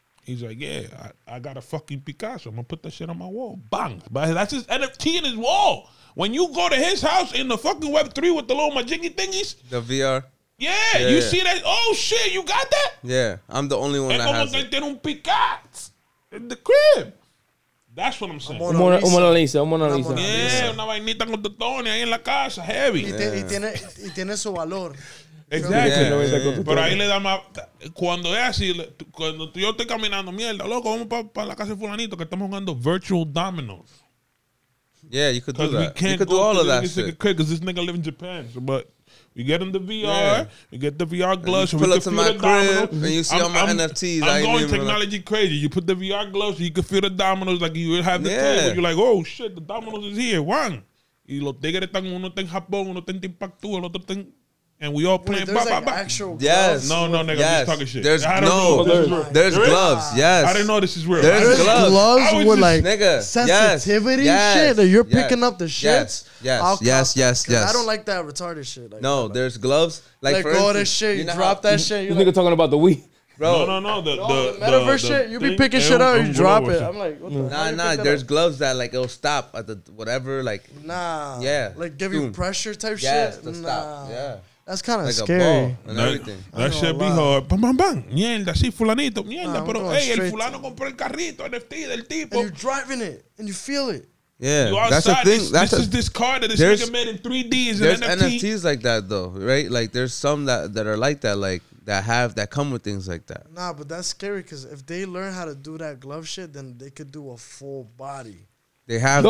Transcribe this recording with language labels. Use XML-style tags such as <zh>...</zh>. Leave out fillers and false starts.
<en>He's like, yeah, I got a fucking Picasso. I'm going to put that shit on my wall. Bang. But that's his NFT in his wall. When you go to his house in the fucking Web3 with the little majiggy thingies. The VR. Yeah, you see that? Oh, shit, you got that? Yeah, I'm the only one that has it. They don't Picasso in the crib. That's what I'm saying. I'm Mona Lisa.</en> <es>Yeah, una vainita con tatone ahí en la casa, heavy. Y tiene su valor.</es> <en>Exactly. Yeah.</en> <es>Por ahí le da más. Cuando es así, cuando yo estoy caminando, mierda, loco, vamos para la casa de fulanito que estamos jugando</es> <en>virtual dominoes. Yeah, you could do that. You could do all of that shit. Because this nigga live in Japan. So, but we get him the VR, we get the VR gloves, and you pull up to my crib, and you see all my NFTs. I'm going technology crazy. You put the VR gloves, you can feel the dominoes like you have the table. You're like, oh shit, the dominoes is here. Wang.</en> <es>Y los tigres están, uno está en Japón, uno está en Timbuktu, el otro está en.</es> <en>And we all playing. Wait, there's bah, like bah, bah. Yes. No, no, nigga. Yes. I'm just talking shit. There's no. There's gloves. Yes. I didn't know this is real. There's gloves with just, like nigga. Sensitivity shit. That you're picking up the shit. Yes. I don't like that retarded shit. Like, no, like, there's gloves. Like let go of this shit. You drop that shit. You nigga talking about the Wii. Bro. No. The metaverse the shit. You be picking shit up. You drop it. I'm like, what the fuck? Nah. There's gloves that like it'll stop at the whatever. Like, nah. Yeah. Like give you pressure type shit. Stop. Yeah. That's kind of like scary. That should be hard. Bam, bam, bam.</en> <es>Mierda, sí, fulanito. Mierda, pero hey, el fulano compró el carrito NFT del tipo.</es> <en>And you're driving it. And you feel it. Yeah. You outside, that's a thing. That's this is this car that this nigga made in 3D. There's an NFT. NFTs like that, though, right? Like, there's some that are like that, like, that come with things like that. Nah, but that's scary because if they learn how to do that glove shit, then they could do a full body. They have that.</en>